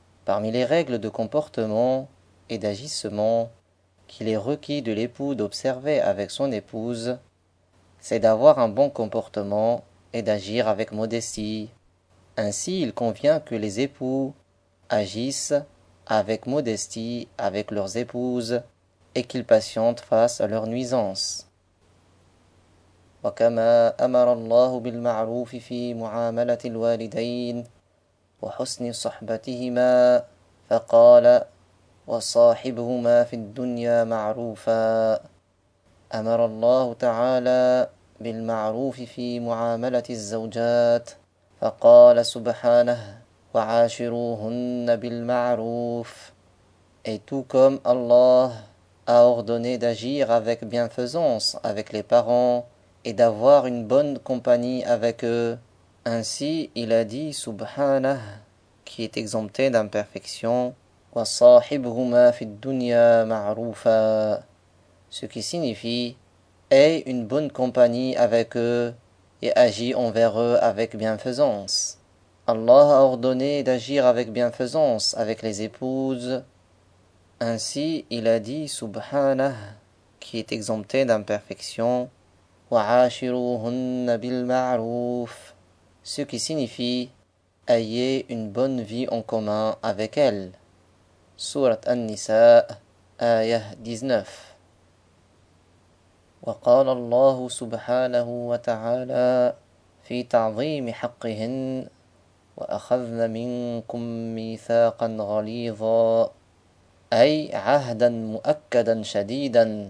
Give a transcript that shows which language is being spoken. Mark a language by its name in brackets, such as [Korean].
[French] Parmi les règles de comportement et d'agissement qu'il est requis de l'époux d'observer avec son épouse, c'est d'avoir un bon comportement et d'agir avec modestie. Ainsi, il convient que les époux agissent avec modestie avec leurs épouses et qu'ils patientent face à leurs nuisances. [Arabic] وكما أمر الله بالمعروف في معاملة الوالدين وحسن صحبتهما، فقال: وصاحبهما في الدنيا معروفا. أمر الله تعالى بالمعروف في معاملة الزوجات، فقال سبحانه: وعاشروهن بالمعروف. [French] Et tout comme Allah a ordonné d'agir avec bienfaisance avec les parents et d'avoir une bonne compagnie avec eux, ainsi il a dit Subhanah, qui est exempté d'imperfection, [Arabic] وَصَاحِبْهُمَا فِي الدُّنْيَا مَعْرُوفًا, [French] ce qui signifie « Aie une bonne compagnie avec eux et agis envers eux avec bienfaisance ». Allah a ordonné d'agir avec bienfaisance avec les épouses. Ainsi, il a dit Subhanah, qui est exempté d'imperfection, [Arabic] وَعَاشِرُوهُنَّ بِالْمَعْرُوفِ, [French] ce qui signifie « Ayez une bonne vie en commun avec elles ». Sourate An-Nisa, ayah 19. [Arabic] وقال الله سبحانه وتعالى في تعظيم حقهن وأخذن منكم ميثاقا غليظا أي عهدا مؤكدا شديدا.